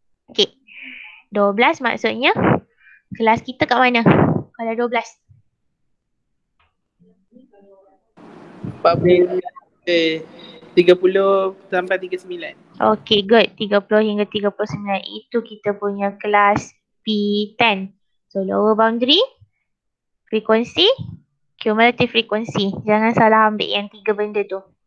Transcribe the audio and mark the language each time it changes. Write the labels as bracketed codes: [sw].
[ms] Okay. 12 maksudnya kelas kita kat mana? Kalau 12. 14. 30 sampai 39. [en] Okay, good. [ms] 30 hingga 39 itu kita punya kelas P10. [en] So lower boundary, frequency, cumulative frequency. [ms] Jangan salah ambil yang tiga benda tu.